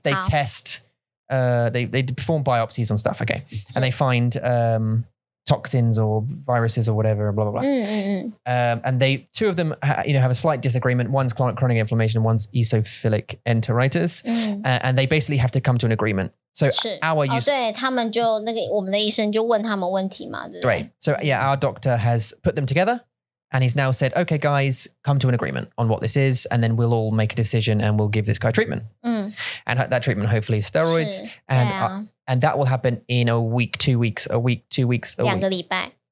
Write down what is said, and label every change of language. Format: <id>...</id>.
<en>they test, they perform biopsies on stuff, okay, and they find, toxins or viruses or whatever, blah, blah, blah. And they, two of them, you know, have a slight disagreement. One's chronic inflammation, one's eosinophilic enteritis. And they basically have to come to an agreement. So our use...</en> <zh>对,他们就,那个,我们的医生就问他们问题嘛,对不对?</zh> <en>Right. So yeah, our doctor has put them together and he's now said, okay, guys, come to an agreement on what this is. And then we'll all make a decision and we'll give this guy treatment. And that treatment hopefully is steroids. And that will happen in a week, 2 weeks,</en> <zh>两个礼拜.</zh>